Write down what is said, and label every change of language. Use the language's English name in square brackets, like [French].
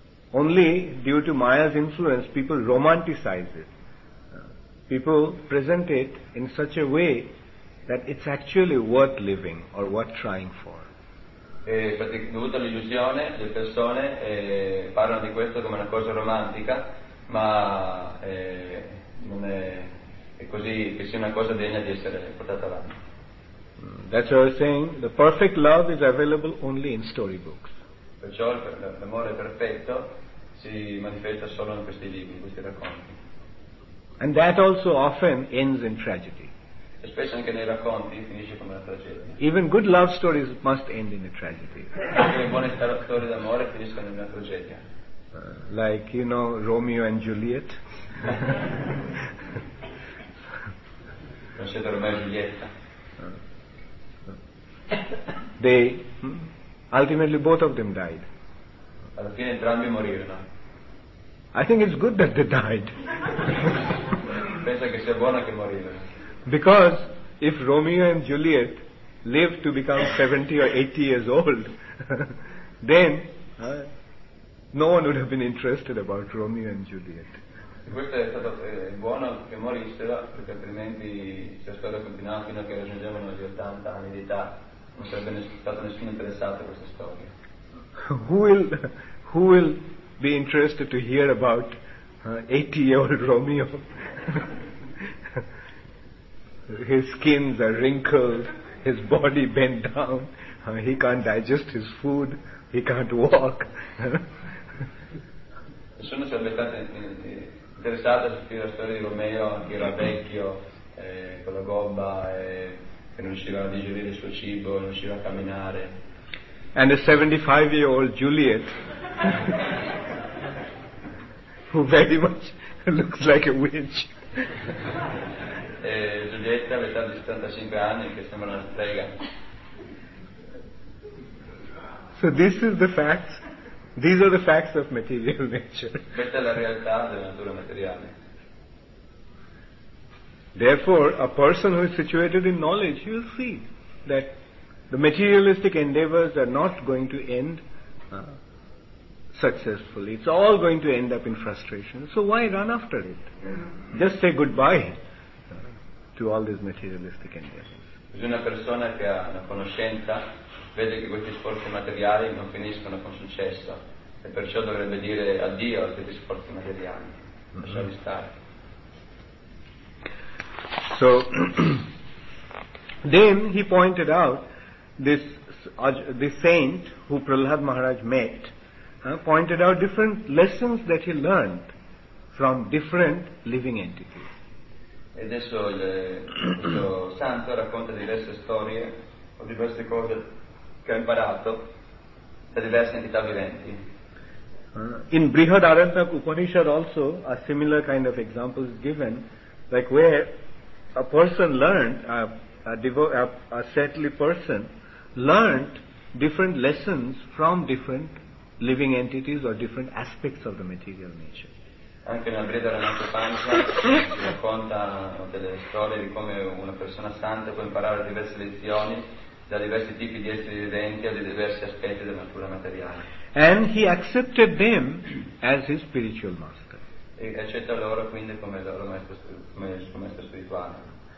[English] Only due to Maya's influence people romanticize it. People present it in such a way that it's actually worth living or worth trying for. [Italian] Dovuto all'illusione, le persone parlano di questo come una cosa romantica, ma non è. E così che sia una cosa degna di essere portata avanti. [English] That's what I was saying. The perfect love is available only in storybooks. [Italian] Perciò l'amore perfetto si manifesta solo in questi libri, in questi racconti. [English] And that also often ends in tragedy. [Italian] E spesso anche nei racconti finisce come una tragedia. [English] Even good love stories must end in a tragedy. [Italian] Anche le buone storie d'amore finiscono in una tragedia. [English] Like, you know, Romeo and Juliet. [Italian] Non siete ormai Giulietta. [English] They ultimately both of them died. [Italian] Alla fine entrambi morirono. [English] I think it's good that they died. [Italian] Penso che sia buono che morirono. [English] Because if Romeo and Juliet lived to become 70 or 80 years old, then no one would have been interested about Romeo and Juliet. [Italian] Questo è stato buono che morissero, perché altrimenti la storia continuava fino a che raggiungevano gli 80 anni di età, non sarebbe stato nessuno interessato a questa storia. [English] Who will be interested to hear about 80-year-old Romeo? His skin is wrinkled, his body bent down, he can't digest his food, he can't walk. [Italian] Nessuno sarebbe stato interessato a sentire la storia di Romeo, che era vecchio, con la gobba, che non riusciva a digerire il suo cibo, non riusciva a camminare. [English] And a 75-year-old Juliet, who very much looks like a witch. [Italian] Giulietta, all'età di 75 anni, che sembra una strega. [English] So this is the facts. These are the facts of material nature. [Italian] Questa è la realtà della natura materiale. [English] Therefore, a person who is situated in knowledge, he will see that the materialistic endeavors are not going to end successfully. It's all going to end up in frustration. So why run after it? Just say goodbye to all these materialistic endeavors. [Italian] Se una persona che ha una conoscenza vede che questi sforzi materiali non finiscono con successo, e perciò dovrebbe dire addio a questi sforzi materiali, lasciali stare. [English] So then he pointed out this saint who Prahlad Maharaj met pointed out different lessons that he learned from different living entities. [Italian] E adesso questo santo racconta diverse storie o diverse cose che ha imparato da diverse entità viventi. [English] In Brihadaranyaka Upanishad also a similar kind of example is given, like where a person learned, a settled person learned different lessons from different living entities or different aspects of the material nature. [Italian] Anche nella Brihadaranyaka Upanishad si racconta delle storie di come una persona santa può imparare diverse lezioni da diversi tipi di esseri viventi a dei diversi aspetti della natura materiale. [English] And he accepted them as his spiritual master. [Italian] E accetta loro quindi come loro maestro maestro spirituale.